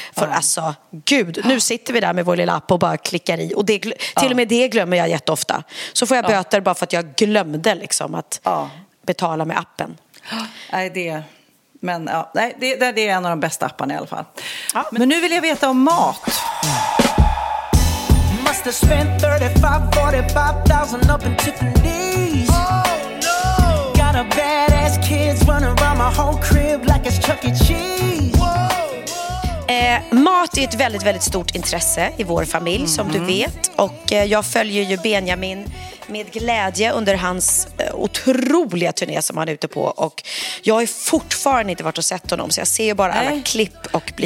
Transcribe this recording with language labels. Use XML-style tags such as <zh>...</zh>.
<sv>För alltså, gud, nu sitter vi där med vår lilla app och bara klickar i. Och det, till och med det glömmer jag jätteofta. Så får jag böter bara för att jag glömde liksom att betala med appen. Nej, det, men, nej, det är en av de bästa apparna i alla fall. Ja. Men nu vill jag veta om mat.</sv> <en>Must have spent 35,000 up in Tiffany's. Oh no. Got a badass kids running around my whole crib like it's Chuck E. Cheese. Whoa, whoa.</en> <sv>Mat är ett väldigt, väldigt stort intresse i vår familj, som du vet. Och jag följer ju Benjamin med glädje under hans otroliga turné som han är ute på. Och jag har fortfarande inte varit och sett honom, så jag ser ju bara alla klipp och blir</sv>